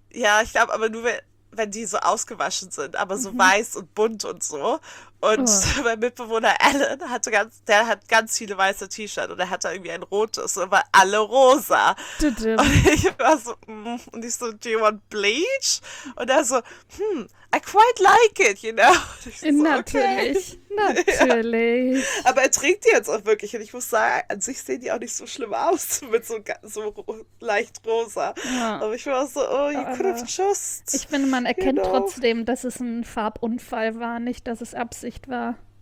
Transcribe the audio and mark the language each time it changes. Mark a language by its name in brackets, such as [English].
[German] Ja, ich glaube aber nur, wenn die so ausgewaschen sind, aber so weiß und bunt und so. Und mein Mitbewohner Alan hatte der hat ganz viele weiße T-Shirts und er hatte irgendwie ein rotes und war alle rosa. Und ich war so, und ich so, [English] do you want bleach? [German] Und er so, [English] I quite like it, you know? [German] So, natürlich, okay. Natürlich. Ja. Aber er trinkt die jetzt auch wirklich. Und ich muss sagen, an sich sehen die auch nicht so schlimm aus mit so leicht rosa. Ja. Aber ich war so, [English] oh, you could have just. [German] Ich finde, man erkennt trotzdem, dass es ein Farbunfall war, nicht, dass es Absicht war.